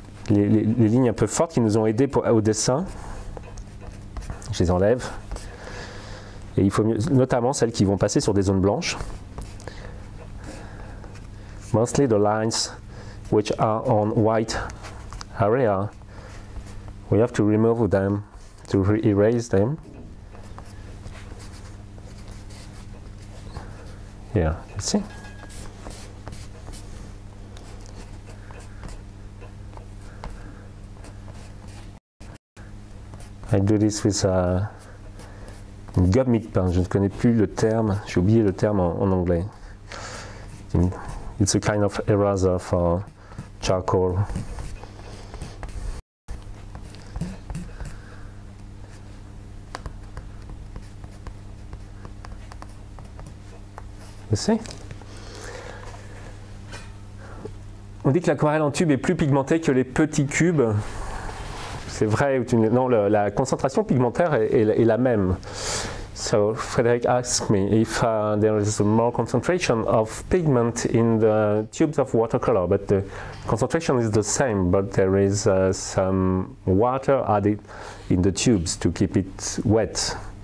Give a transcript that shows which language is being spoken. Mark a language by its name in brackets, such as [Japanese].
[French] Les lignes un peu fortes qui nous ont aidés au dessin, je les enlève. Et il faut mieux, notamment celles qui vont passer sur des zones blanches. [English] Mostly the lines which are on white area, we have to remove them, to erase them. Yeah, you see? I do this with [French] une gomme de pain. Je ne connais plus le terme. J'ai oublié le terme en anglais. [English] It's a kind of eraser for charcoal. You see? [French] On dit que l'aquarelle en tube est plus pigmentée que les petits cubes. C'est vrai, non, la concentration pigmentaire est la même. So [English] So Frederick asked me if there is more concentration of pigment in the tubes of watercolor, but the concentration is the same, but there is some water added in the tubes to keep it wet.